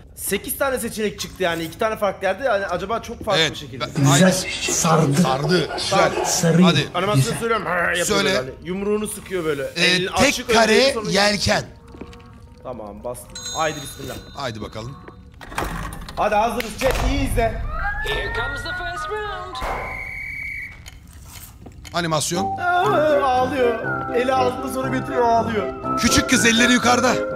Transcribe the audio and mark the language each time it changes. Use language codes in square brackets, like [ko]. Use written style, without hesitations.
[tr] 8 tane seçenek çıktı yani, 2 tane farklı yerde yani, acaba çok farklı evet, bir şekilde. Güzel, sardı. Sardı, güzel. Sarıyor. Hadi. Animasyonu söylüyorum. Söyle. Böyle. Yumruğunu sıkıyor böyle. Tek açık kare yelken. Tamam, bastım. Haydi bismillah. Haydi bakalım. Hadi hazırız, chat iyi izle. [en] Here comes the first round. [tr] Animasyon. Ağlıyor. Eli ağzını sonra götürüyor, ağlıyor. Küçük kız, elleri yukarıda.